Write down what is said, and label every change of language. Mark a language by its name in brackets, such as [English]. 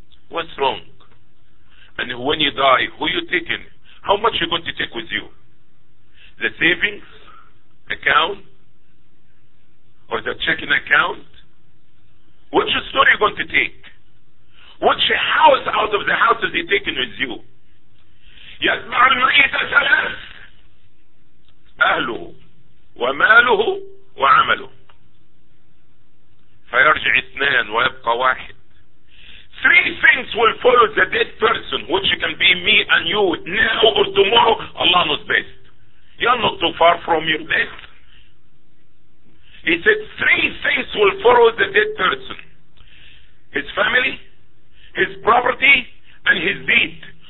[English] What's wrong? And when you die, who you taking? How much you going to take with you? The savings account? Or the checking account? What's your story you going to take? What's your house out of the houses he taking with you? [Arabic] يتبع الميت ثلاث أهله وماله وعمله فيرجع اثنان ويبقى واحد. [English] Three things will follow the dead person, which can be me and you now or tomorrow. Allah knows best. You're not too far from your death. He said three things will follow the dead person: his family, his property, and his deed.